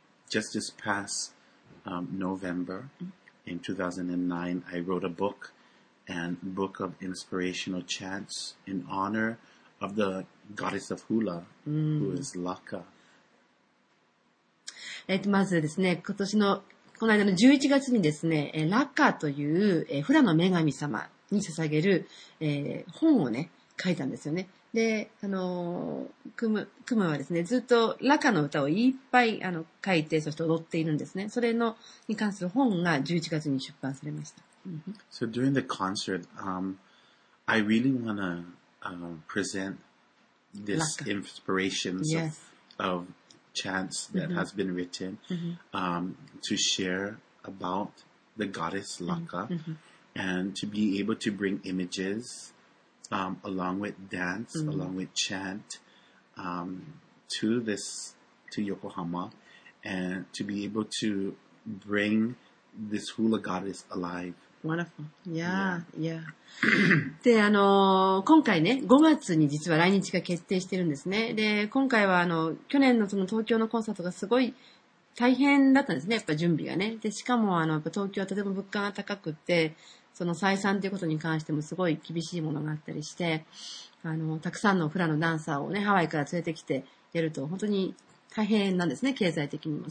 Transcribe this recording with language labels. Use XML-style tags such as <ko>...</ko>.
<en>Just this past,November in 2009, I wrote a book and book of inspirational chants in honor of the goddess of hula,、mm. who is Laka.</en> <ja>まずですね、今年の、この間の11月にですね、ラッカというフラの女神様に捧げる、本をね、書いたんですよね。で、クムはですね、ずっとラカの歌をいっぱい、書いて、そして踊っているんですね。それの、に関する本が11月に出版されました。</ja> <en>So during the concert, I really wanna, present this inspiration、 yes. of chants that、mm-hmm. has been written,、mm-hmm. To share about the goddess Laka,、mm-hmm. and to be able to bring images,along with dance,、mm-hmm. along with chant,、to Yokohama, and to be able to bring this hula goddess alive. Wonderful. Yeah, yeah.</en> <ja>yeah. で、今回ね、5月に実は来日が決定してるんですね。で、今回は去年のその東京のコンサートがすごい大変だったんですね。やっぱ準備がね。で、しかもやっぱ東京はとても物価が高くて、その採算ということに関してもすごい厳しいものがあったりして、たくさんのフラのダンサーをね、ハワイから連れてきてやると本当に大変なんですね、経済的にも。</ja>